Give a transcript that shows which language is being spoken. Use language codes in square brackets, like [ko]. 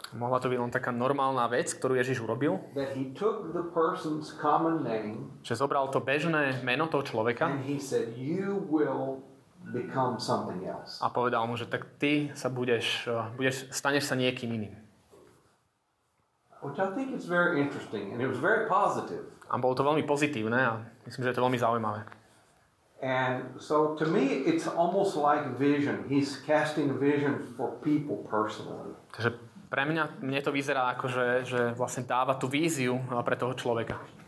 [sk] Mohla to byť len taká normálna vec, ktorú Ježiš urobil. [en] That he took the person's common name. [sk] Že zobral to bežné meno toho človeka. [en] And he said, "You will become something else." [sk] A povedal mu, že tak ty sa budeš staneš sa niekým iným. [en] Which I think is very interesting, and it was very positive. [sk] A bolo to veľmi pozitívne a myslím, že je to veľmi zaujímavé. [en] And so to me it's almost like vision. He's casting a vision for people personally. [sk] Takže pre mne to vyzerá ako, že vlastne dáva tú víziu pre toho človeka.